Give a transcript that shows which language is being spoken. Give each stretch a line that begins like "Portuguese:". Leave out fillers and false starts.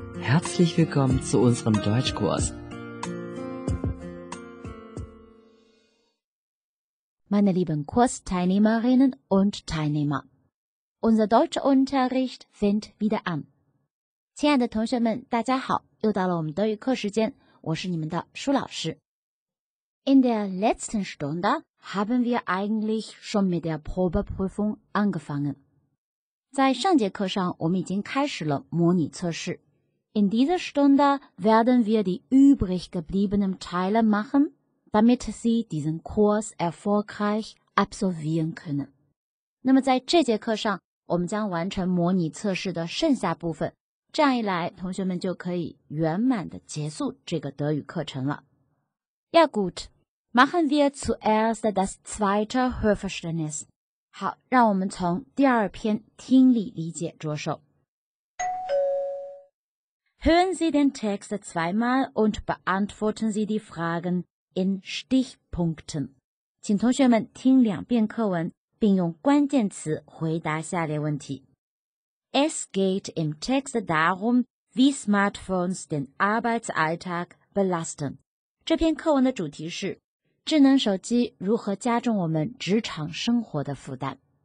German: Herzlich willkommen zu unserem Deutschkurs. Meine lieben Kursteilnehmerinnen und Teilnehmer, unser Deutschunterricht fängt wieder an.
Chinese: 亲爱的同学们，大家好，又到了我们德语课时间，我是你们的舒老师。
German: In der letzten Stunde haben wir eigentlich schon mit der Probeprüfung angefangen.
Chinese: 在上节课上，我们已经开始了模拟测试。
German: In dieser Stunde werden wir die übrig gebliebenen Teile machen, damit Sie diesen Kurs erfolgreich absolvieren können.
Chinese: 那么在这节课上，我们将完成模拟测试的剩下部分。这样一来，同学们就可以圆满地结束这个德语课程了。
German: Ja gut, machen wir zuerst das zweite Hörverständnis.
Chinese: 好，让我们从第二篇听力理解着手。
German: Hören Sie den Text zweimal und beantworten Sie die Fragen in Stichpunkten.
Chinese: 请同学们听两遍课文，并用关键词回答下列问题。
German: Es geht im Text darum, wie Smartphones den Arbeitsalltag belasten.
Chinese: 这篇课文的主题是智能手机如何加重我们职场生活的负担。